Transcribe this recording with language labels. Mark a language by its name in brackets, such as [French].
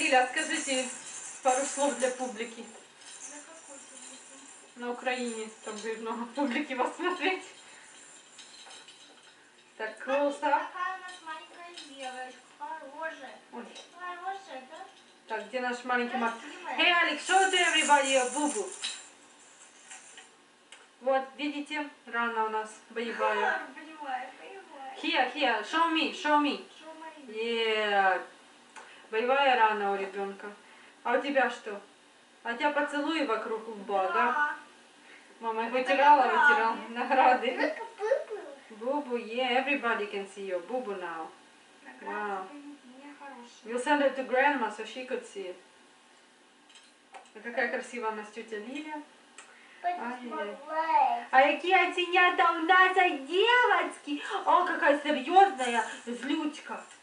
[Russian] Скажите пару слов для публики. На какой публике? На Украине, там будет много публики вас смотреть. Так, [English] close up. [Russian] Какая у нас маленькая девочка? Хорошая. Ой. Хорошая, да? Так, где наш маленький мальчик? [English] Hey, Alex, show to everybody your boo-boo. [Russian] Вот, видите, рана у нас боевая. Боевая. [English] Here, show me. Show my yeah. [Russian] Боевая рана у ребенка. А у тебя что? А тебя поцелуи вокруг лба, да? Да? Мама их вытирала, вытирала. Награды. Только бубу. [English] Бубу, yeah, everybody can see your бубу now. [Russian] Награды [English] wow. [Russian] Нехорошие. [English] You'll send her to grandma, so she could see it. [Russian] А какая красивая у нас тетя Лиля. А какие оценята у нас, а девочки? О, какая серьезная злючка.